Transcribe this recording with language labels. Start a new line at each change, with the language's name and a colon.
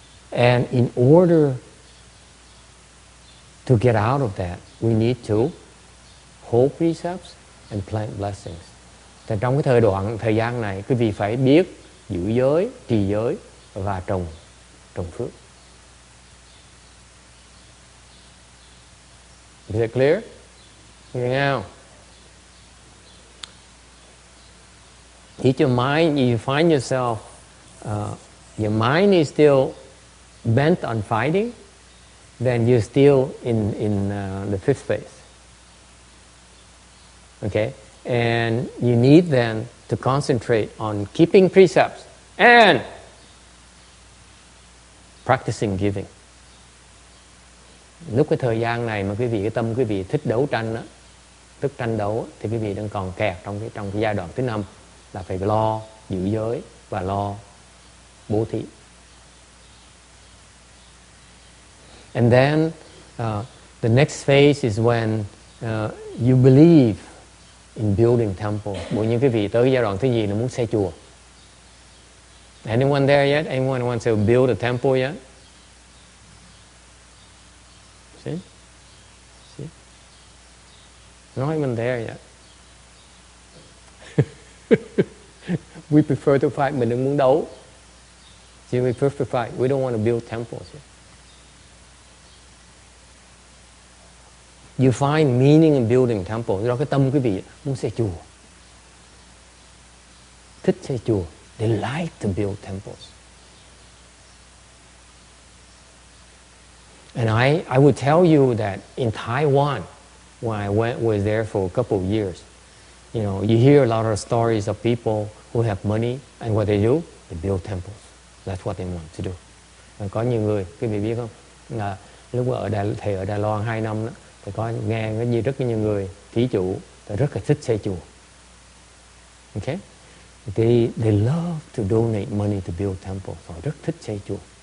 English: And in order to get out of that, we need to hold precepts and plant blessings.
Vietnamese: Thì trong cái thời gian này, quý vị phải biết giữ giới, trì giới và trồng phước.
English: Is that clear? Now, your mind is still bent on fighting, then you're still in the fifth phase. Okay? And you need then to concentrate on keeping precepts and practicing giving.
Vietnamese: Lúc cái thời gian này mà quý vị, cái tâm quý vị thích đấu tranh đó, thích tranh đấu, thì quý vị đang còn kẹt trong cái giai đoạn thứ năm, là phải lo giữ giới và lo bố thí.
English: And then the next phase is when you believe in building temple.
Vietnamese: Bởi như quý vị tới giai đoạn thứ gì là muốn xây chùa.
English: Anyone there yet? Anyone wants to build a temple yet? See? Not even there yet. We prefer to fight.
Vietnamese: Mình đừng muốn đấu.
English: See, we prefer to fight. We don't want to build temples. Yet. You find meaning in building temple.
Vietnamese: Do cái tâm quý vị muốn xây chùa, thích xây chùa.
English: They like to build temples. And I would tell you that in Taiwan, when I was there for a couple of years, you know, you hear a lot of stories of people who have money, and what they do? They build temples. That's what they want to do.
Vietnamese: Và có nhiều người, quý vị biết không? Là lúc mà ở Đài Loan 2 năm đó, thì có nghe có như rất nhiều người thí chủ, thì rất là thích xây chùa.
English: Okay? They love to donate money to build temples.
Vietnamese: Họ rất thích xây chùa.